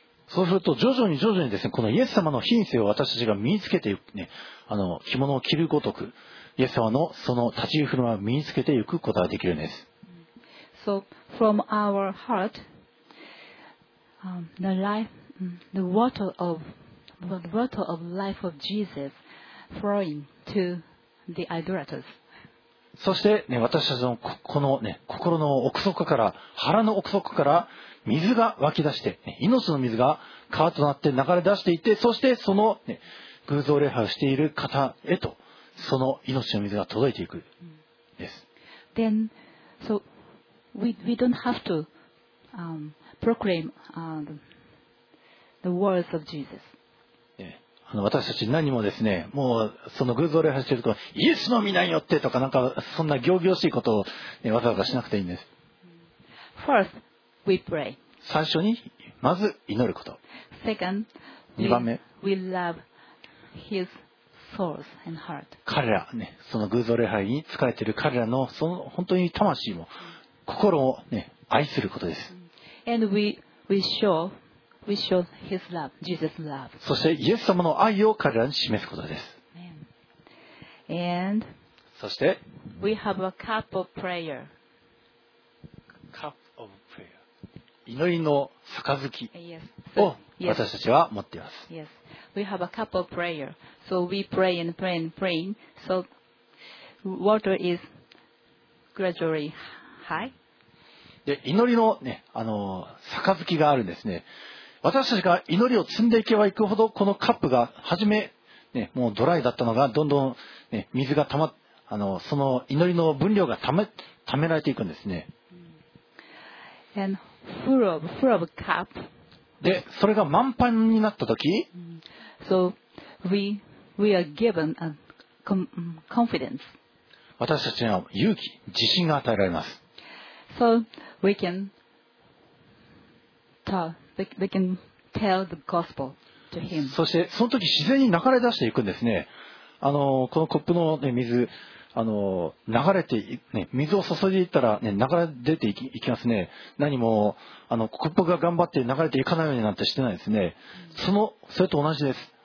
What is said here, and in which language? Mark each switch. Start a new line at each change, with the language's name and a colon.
Japanese: そうすると徐々に徐々にですね、このイエス様の品性を私たちが身につけていくね、あの着物を着るごとく、イエス様のその立ち居振る舞いを身につけていくことができるんです。
English: So from our heart, the life, the water of life of Jesus flowing to the idolaters.
Japanese: そして、ね、私たちのこのね、心の奥底から、腹の奥底から、水が湧き出して、命の水が川となって流れ出していって、そしてその、ね、偶像礼拝をしている方へと、その命の水が届いていくです。
English: Then, so we don't have to proclaim the words of Jesus.
Japanese: 私たち何もですね、もうその偶像礼拝しているとか、イエスの御名によってとか、なんかそんな仰々しいことを、ね、わざわざしなくていいんです。
English: First, we pray.
Japanese: 最初に、まず祈ること。
English: Second,
Japanese: 2番目、
English: we love his souls and heart.
Japanese: 彼ら、ね、その偶像礼拝に仕えている彼らの、その本当に魂も、心を、ね、愛することです。
English: And we show his love, Jesus' love.
Japanese: そしてイエス様の愛を彼らに示すことです。
English: And
Japanese: そして
English: we have a cup of prayer. Cup of prayer.
Japanese: 祈りの杯を私たちは持っています。
English: Yes. We have a cup of prayer. So we pray and pray and pray. So water is gradually high.
Japanese: で祈りのね、杯があるんですね。私たちが祈りを積んでいけばいくほど、このカップが初め、ね、もうドライだったのが、どんどん、ね、水がたま、その祈りの分量がためられていくんですね。
English: And full of cup.
Japanese: で、それが満杯になったとき、
English: So we are given a confidence.
Japanese: 私たちには勇気、自信が与えられます。
English: So we can talk. They can tell the gospel to him.
Japanese: そしてその時自然に流れ出していくんですね。このコップの、ね、水、流れて、ね、水を注いでいったら、ね、流れ出ていきますね。何もコップが頑張って流れていかないようになんてしてないですね。それと同じです。